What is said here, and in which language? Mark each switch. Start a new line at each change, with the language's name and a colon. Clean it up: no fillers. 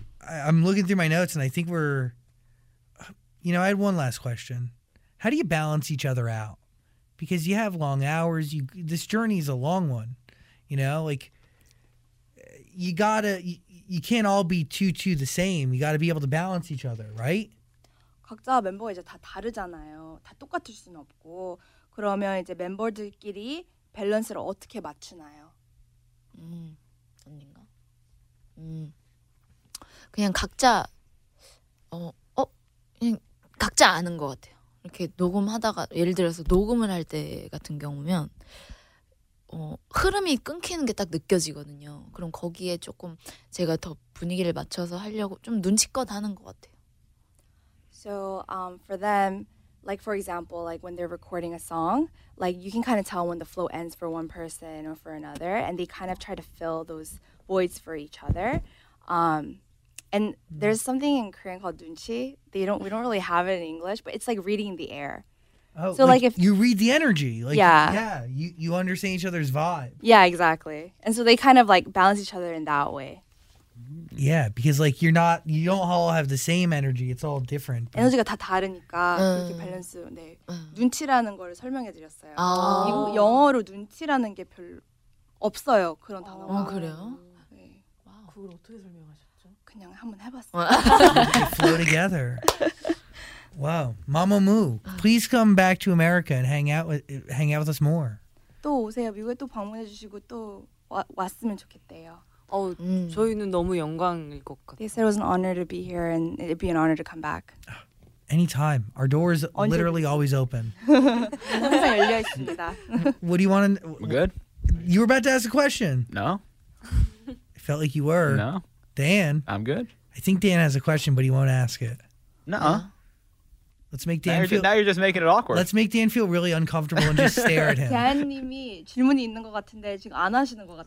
English: I'm looking through my notes and I think we're, you know, I had one last question. How do you balance each other out? Because you have long hours. This journey is a long one, you know, like you can't all be too the same. You got to be able to balance each other, right?
Korean: 각자 멤버가 이제 다 다르잖아요. 다 똑같을 수는 없고. 그러면 이제 멤버들끼리 밸런스를 어떻게 맞추나요? 언니인가? 그냥 각자 그냥 각자 아는 것 같아요. 이렇게 녹음하다가 예를 들어서 녹음을 할 때 같은 경우면 흐름이 끊기는 게 딱 느껴지거든요. 그럼 거기에 조금 제가 더 분위기를 맞춰서 하려고 좀 눈치껏 하는 것 같아요.
English: So for them, like for example, like when they're recording a song, like you can kind of tell when the flow ends for one person or for another, and they kind of try to fill those voids for each other. And there's something in Korean called 눈치. We don't really have it in English, but it's like reading the air. Oh, so like if you read the energy, like yeah, you understand each other's vibe. Yeah, exactly. And so they kind of like balance each other in that way. Yeah, because like you don't all have the same energy. It's all different.
Korean: 에너지가 다 다르니까 그렇게 밸런스. 네, 눈치라는 걸 설명해 드렸어요. 아, 영어로 눈치라는 게 별 없어요 그런 단어가. 아, 그래요? 그걸 어떻게 설명하셨죠? 그냥 한번 해봤어요.
English: Flow together. Wow, Mamamoo, please come back to America and hang out with us more.
Korean: 또 오세요. 미국에 또 방문해주시고 또 왔으면 좋겠대요. 저희는 너무 영광일 것 같아요.
English: They said it was an honor to be here and it'd be an honor to come back. Anytime. Our door is literally always open.
Korean: 항상 열려 있습니다.
English: What do you want to? We're good. You were about to ask a question. No. Felt like you were. No. Dan. I'm good. I think Dan has a question, but he won't ask it. No. Yeah. Let's make Dan Now you're just making it awkward. Let's make Dan feel really uncomfortable and just stare at him.
Korean: Dan님이 질문이 있는 것 같은데 지금 안 하시는 것 같아요.